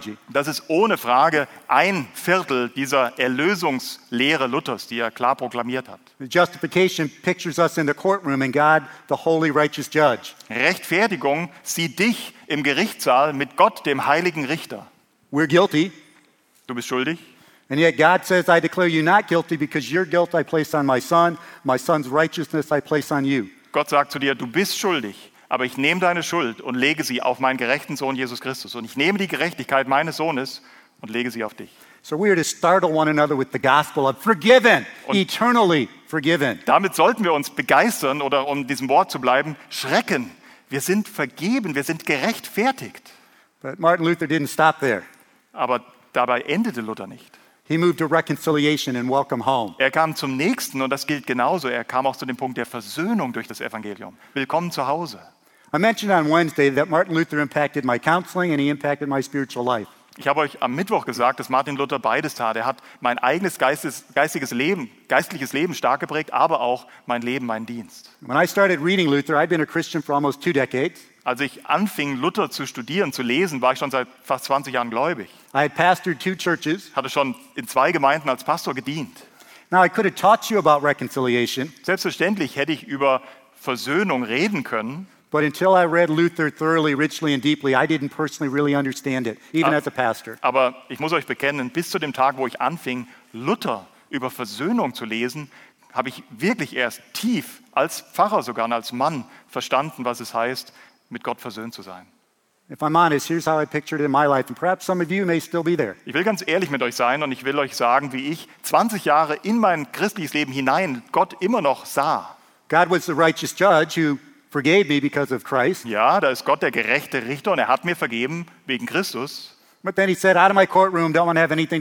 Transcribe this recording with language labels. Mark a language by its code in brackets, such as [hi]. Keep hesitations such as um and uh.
[de] Das ist ohne Frage ein Viertel dieser Erlösungslehre Luthers, die er klar proklamiert hat. God, Rechtfertigung sieht dich im Gerichtssaal mit Gott dem heiligen Richter. [en] We're guilty. [de] Du bist schuldig. [en] And yet God says I declare you not guilty because your guilt I place on my son, my son's righteousness I place on you. [de] Gott sagt zu dir, du bist schuldig, aber ich nehme deine Schuld und lege sie auf meinen gerechten Sohn Jesus Christus und ich nehme die Gerechtigkeit meines Sohnes und lege sie auf dich. [en] So we startle one another with the gospel of forgiven, [de] und [en] eternally forgiven. [de] Damit sollten wir uns begeistern oder um diesem Wort zu bleiben, schrecken. Wir sind vergeben, wir sind gerechtfertigt. Aber dabei endete Luther nicht. [en] He moved to reconciliation and welcome home. [de] Er kam zum nächsten und das gilt genauso. Er kam auch zu dem Punkt der Versöhnung durch das Evangelium. Willkommen zu Hause. Ich habe euch am Mittwoch gesagt, dass Martin Luther beides tat. Er hat mein eigenes geistes, geistiges Leben, geistliches Leben stark geprägt, aber auch mein Leben, meinen Dienst. [en] When I started reading Luther, I'd been a Christian for almost two decades. [de] Als ich anfing, Luther zu studieren, zu lesen, war ich schon seit fast 20 Jahren gläubig. [en] I had pastored two churches. [de] Hatte schon in zwei Gemeinden als Pastor gedient. [en] Now I could have taught you about reconciliation. [de] Selbstverständlich hätte ich über Versöhnung reden können. [en] But until I read Luther thoroughly, richly and deeply, I didn't personally really understand it, even [de] aber, [en] as a pastor. [de] Aber ich muss euch bekennen, bis zu dem Tag, wo ich anfing, Luther über Versöhnung zu lesen, habe ich wirklich erst tief als Pfarrer sogar als Mann verstanden, was es heißt, mit Gott versöhnt zu sein. [en] If I'm honest, here's how I pictured it in my life and perhaps some of you may still be there. [de] Ich will ganz ehrlich mit euch sein und ich will euch sagen, wie ich 20 Jahre in mein christliches Leben hinein Gott immer noch sah. [en] God was the righteous judge who [de] ja, da ist Gott der gerechte Richter und er hat mir vergeben wegen Christus. [en] But then he said, out of my courtroom, don't want to have anything